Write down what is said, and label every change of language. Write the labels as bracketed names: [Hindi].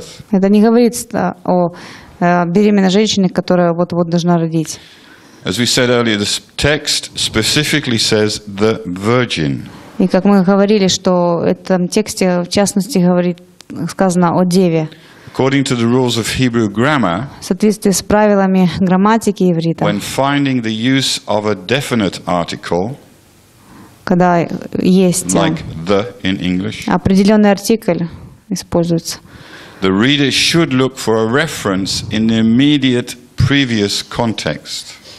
[Russian] Это не говорится о беременной женщине, которая вот-вот должна родить. [English] As we said earlier, the text specifically says the virgin. [Russian] И как мы говорили, что в этом тексте в частности говорит сказано о деве. [English] According to the rules of Hebrew grammar, [Russian] в соответствии с правилами грамматики иврита, [English] when finding the use of a definite article, [Russian] когда есть [English] like the in English, [Russian] определенный артикль используется, [English] the reader should look for a reference in the immediate previous context.